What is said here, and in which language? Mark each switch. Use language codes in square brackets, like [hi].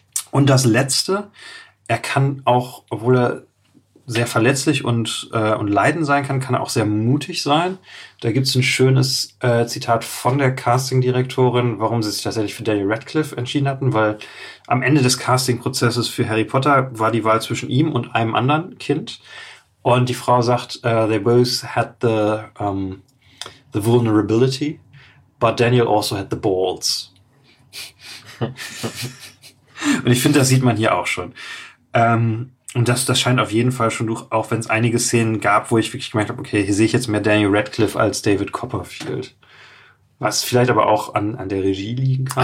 [de] Und das Letzte, er kann auch, obwohl er sehr verletzlich und leiden sein kann, kann er auch sehr mutig sein. Da gibt es ein schönes Zitat von der Casting-Direktorin, warum sie sich tatsächlich für Daniel Radcliffe entschieden hatten, weil am Ende des Casting-Prozesses für Harry Potter war die Wahl zwischen ihm und einem anderen Kind. Und die Frau sagt, [en] they both had the vulnerability, but Daniel also had the balls. [de] Und ich finde, das sieht man hier auch schon. Und das scheint auf jeden Fall schon durch, auch wenn es einige Szenen gab, wo ich wirklich gemerkt habe, okay, hier sehe ich jetzt mehr Daniel Radcliffe als David Copperfield. Was vielleicht aber auch an der Regie liegen kann.